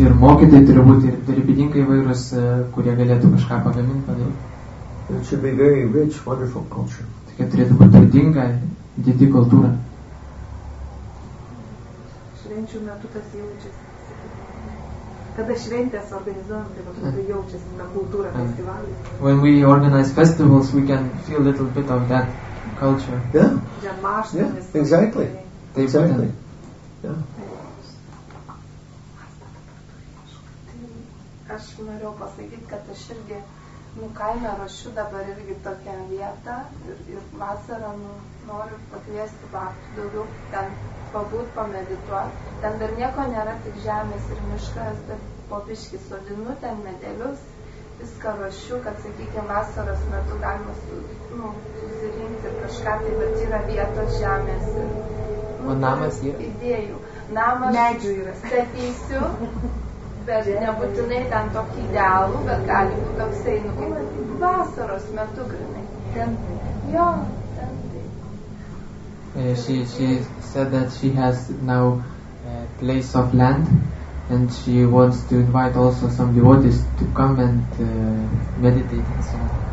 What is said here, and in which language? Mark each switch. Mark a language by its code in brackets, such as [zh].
[lt] Ir mokytojai turi būti ir darbininkai įvairūs, kurie galėtų kažką pagaminti, padaryti. [en] It should be very rich, wonderful culture. [lt] Tai turėtų būti turtinga, didi kultūra. Švenčių metu tas jaučiasi. Kada šventės organizuojam, tai jaučiasi tą kultūrą, festivalį. [en] When we organize festivals, we can feel a little bit of that culture. Yeah, exactly. [lt] Taip, [en] exactly. [lt] Aš norėjau pasakyti, kad aš irgi kaime ruošiu dabar irgi tokią vietą ir vasarą noriu pakviesti baktų daugiau ten pabūt, pamedituot. Ten dar nieko nėra, tik žemės ir miškas, bet po biškį sodinu ten medelius. Viską ruošiu, kad, sakykime, vasaros metu galima susirinkti ir kažką, tai bet yra vietos žemės. O namas yra? Idėjų. Namas medžių yra. Statysiu, bet nebūtinai ten tokį idealų, bet gali būti toksai, kaip vasaros metu, grinai. Ten, jo, ten taip. [en] She said that she has now a place of land. And she wants to invite also some devotees to come and meditate and so on.